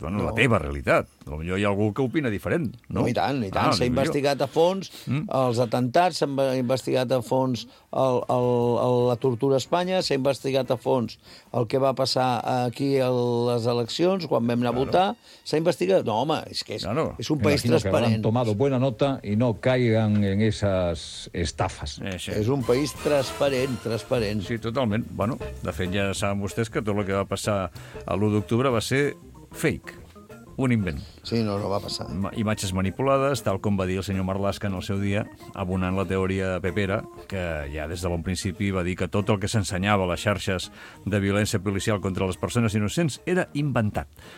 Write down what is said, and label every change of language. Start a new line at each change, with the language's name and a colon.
Catalan: Bueno, no. La teva realitat. Potser hi ha algú que opina diferent. No, no, i tant, i tant. Ah, s'ha investigat a fons els atemptats, s'ha investigat a fons la tortura a Espanya, s'ha investigat a fons el que va passar aquí a les eleccions, quan vam anar a votar, s'ha investigat... No, home, és que és, claro, és un país transparent.
Spanish: Imagino que han tomado buena nota y no caigan en esa estafes.
Catalan: És un país transparent, transparent. Sí, totalment. Bueno, de fet, ja saben vostès que tot el que va passar a l'1 d'octubre va ser fake, un invent. Sí, no, no va passar. Imatges manipulades, tal com va dir el senyor Marlaska en el seu dia, abonant la teoria de Pepera, que ja des de bon principi va dir que tot el que s'ensenyava a les xarxes de violència policial contra les persones innocents era inventat.